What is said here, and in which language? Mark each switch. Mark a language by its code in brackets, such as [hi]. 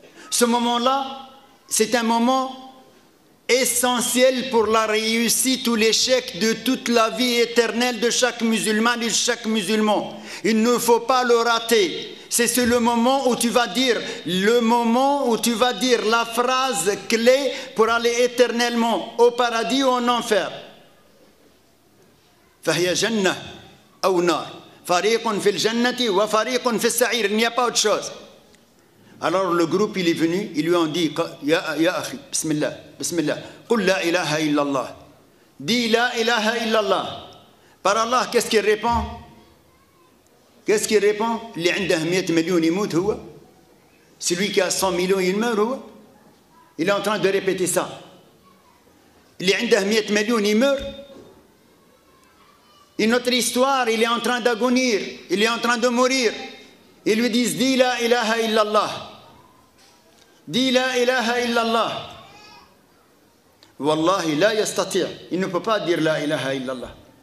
[fr] Ce moment-là, c'est un moment essentiel pour la réussite ou l'échec de toute la vie éternelle de chaque musulman et de chaque musulman. Il ne faut pas le rater. C'est le moment où tu vas dire, le moment où tu vas dire la phrase clé pour aller éternellement au paradis ou en enfer. [ar] فهي جنة أو نار فريق في الجنة وفريق في السعير. [fr] Il n'y a pas autre chose. Alors le groupe il est venu, ils lui ont dit [ar] ya akhi, bismillah, bismillah, قل لا إله إلا الله. [fr] Dis la ilaha illallah. Par Allah, qu'est-ce qu'il répond? Qu'est-ce qu'il répond? [ar] اللي عنده 100 مليون يموت هو. [fr] Celui qui a 100 millions il meurt هو. Il est en train de répéter ça. [ar] اللي عنده 100 مليون [fr] il meurt. Une autre histoire, il est en train d'agonir, il est en train de mourir. Ils lui disent, dis la ilaha illallah. Dis la ilaha illallah. [ar] Wallahi, la yastatir. [fr] Il ne peut pas dire la ilaha illallah.